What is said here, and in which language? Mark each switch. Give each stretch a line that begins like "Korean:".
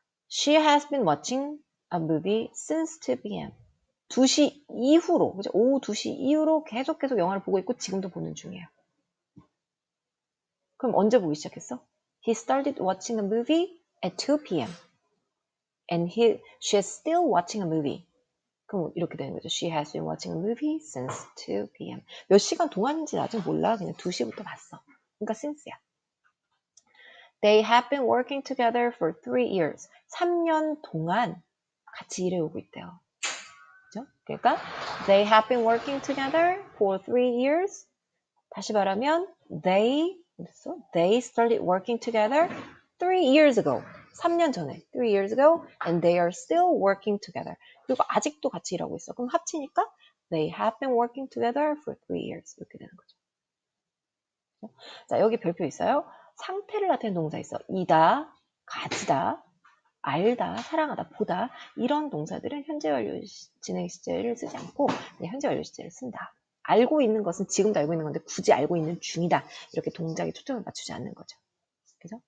English: She has been watching a movie since 2 p.m.
Korean: 2시 이후로, 그죠? 오후 2시 이후로 계속 영화를 보고 있고 지금도 보는 중이에요. 그럼 언제 보기 시작했어?
English: He started watching a movie at 2 p.m. And she is still watching a movie.
Korean: 그럼 이렇게 되는 거죠.
English: She has been watching a movie since 2 p.m.
Korean: 몇 시간 동안인지 아직 몰라. 그냥 2시부터 봤어. 그러니까 since야.
English: They have been working together for 3 years.
Korean: 3년 동안 같이 일해오고 있대요. 그죠? 그러니까
English: they have been working together for 3 years.
Korean: 다시 말하면
English: they started working together 3 years ago.
Korean: 3년 전에.
English: 3 years ago and they are still working together.
Korean: 그리고 아직도 같이 일하고 있어. 그럼 합치니까
English: they have been working together for 3 years.
Korean: 이렇게 되는 거죠. 자, 여기 별표 있어요. 상태를 나타내는 동사 있어. 이다, 가지다, 알다, 사랑하다, 보다. 이런 동사들은 현재 완료 진행 시제를 쓰지 않고 그냥 현재 완료 시제를 쓴다. 알고 있는 것은 지금도 알고 있는 건데 굳이 알고 있는 중이다. 이렇게 동작에 초점을 맞추지 않는 거죠. 그죠?